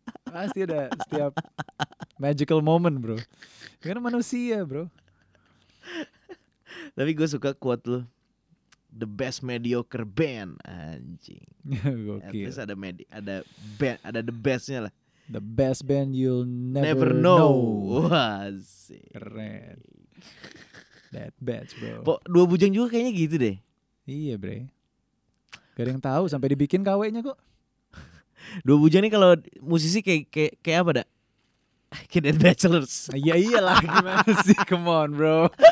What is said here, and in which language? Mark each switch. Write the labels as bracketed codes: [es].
[id] Pasti ada setiap magical moment bro. Karena manusia bro. Tapi gue suka quote lu. [en] the best mediocre band, [id] anjing. Gokil. Terus ada medi, ada band, ada the bestnya lah. [en] The best band you'll never know. Wah, [id] keren. [en] That bad, bro. [id] Pok, dua bujang juga kayaknya gitu deh. Iya, bre. Gak ada yang tahu sampai dibikin KW-nya kok. Dua bujang ini kalau musisi kayak apa dah? Kayak Dead Bachelors. Iya iyalah gimana sih, [en] come on bro.